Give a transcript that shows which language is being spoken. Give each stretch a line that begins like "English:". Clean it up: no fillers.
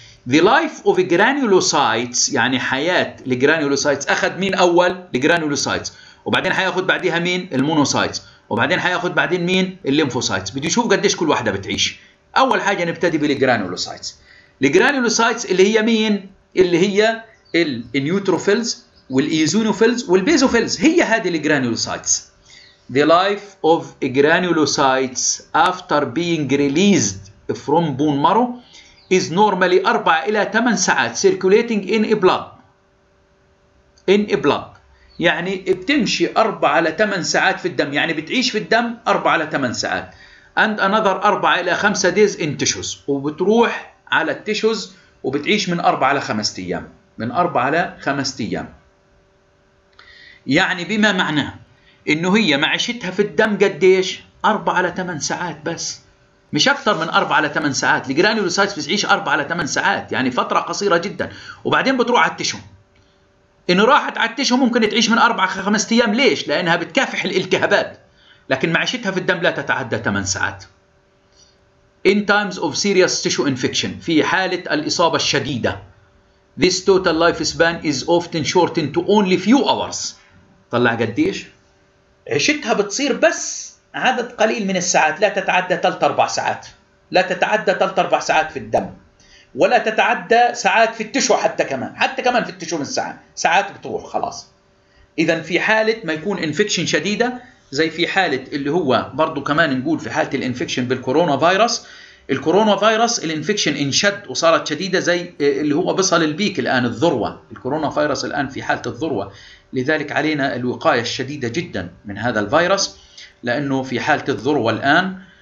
English: the life of granulocytes
Arabic: يعني حياة الجرانيولوسايتس، أخذ مين أول؟ الجرانيولوسايتس، وبعدين هياخد بعديها مين؟ المونوسايتس، وبعدين هياخد بعدين مين؟ الليمفوسايتس. بدي أشوف قديش كل واحدة بتعيش. أول حاجة نبتدي بالجرانيولوسايتس. الجرانيولوسايتس اللي هي مين؟ اللي هي النيوتروفيلز والإيزونوفيلز والبيزوفيلز، هي هذه الجرانيولوسايتس.
English: The life of granulocytes after being released from bone marrow is normally 4
Arabic: إلى 8 ساعات
English: circulating in a blood. In a blood.
Arabic: يعني بتمشي 4 إلى 8 ساعات في الدم، يعني بتعيش في الدم 4 إلى 8 ساعات.
English: And another 4
Arabic: إلى
English: 5 days in tissues.
Arabic: وبتروح على التيشوز وبتعيش من 4 إلى 5 أيام. من 4 إلى 5 أيام. يعني بما معناه انه هي معيشتها في الدم قديش؟ 4 على 8 ساعات بس، مش اكثر من 4 على 8 ساعات. الجرانيولوسايتس بتعيش 4 على 8 ساعات، يعني فتره قصيره جدا، وبعدين بتروح على التشو. انه راحت على التشو ممكن تعيش من 4 ل 5 ايام، ليش؟ لانها بتكافح الالتهابات، لكن معيشتها في الدم لا تتعدى 8 ساعات.
English: In times of serious tissue infection،
Arabic: في حاله الاصابه الشديده،
English: this total life span is often shortened to only few hours.
Arabic: طلع قديش عشتها بتصير بس عدد قليل من الساعات، لا تتعدى 3-4 ساعات، لا تتعدى 3-4 ساعات في الدم، ولا تتعدى ساعات في التشو حتى كمان في التشو من ساعات، ساعات بتروح خلاص. إذا في حالة ما يكون انفكشن شديدة، زي في حالة اللي هو برضو كمان نقول في حالة الانفكشن بالكورونا فيروس، الكورونا فيروس الانفكشن انشد وصارت شديدة زي اللي هو بصل البيك الآن، الذروة، الكورونا فيروس الآن في حالة الذروة، لذلك علينا الوقاية الشديدة جدا من هذا الفيروس، لأنه في حالة الذروة الآن.